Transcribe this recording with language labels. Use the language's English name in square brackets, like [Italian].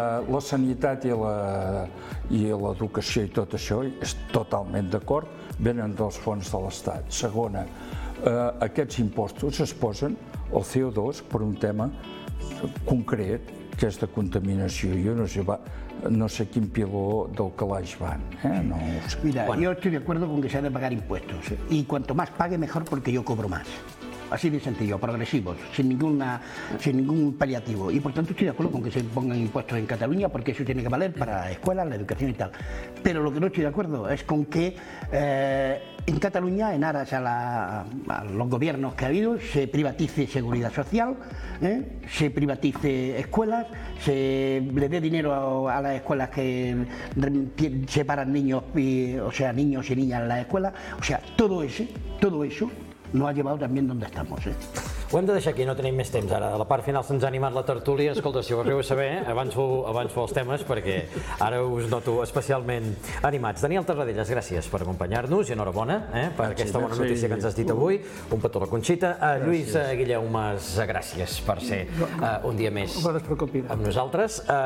[Catalan] La sanitat i l'educació i tot això, és totalment d'acord, venen dels fons de l'Estat. Segona, aquests impostos es posen al CO2 per un tema concret, que és de contaminació. Jo no sé, no sé quin piló del calaix van. [Spanish] Mira, yo estoy de acuerdo con que se han de pagar impuestos. Y cuanto más pague, mejor, porque yo cobro más. Así de sencillo, progresivos, sin ningún paliativo. Y por tanto estoy de acuerdo con que se pongan impuestos en Cataluña, porque eso tiene que valer para la escuela, la educación y tal. Pero lo que no estoy de acuerdo es con que en Cataluña, en aras a los gobiernos que ha habido, se privatice seguridad social, se privatice escuelas, se le dé dinero a las escuelas que separan niños y niñas en las escuelas. O sea, todo eso no ha llevado también donde estamos. [Catalan] Ho hem de deixar aquí, no tenim més temps ara. A la part final se'ns ha animat la tertúlia. Escolta, si ho arribo a saber, avanço els temes, perquè ara us noto especialment animats. Daniel Terradellas, gràcies per acompanyar-nos i enhorabona per aquesta bona notícia que ens has dit avui. Un petó a la Conxita. Lluís Guilleumes, gràcies per ser un dia més amb nosaltres.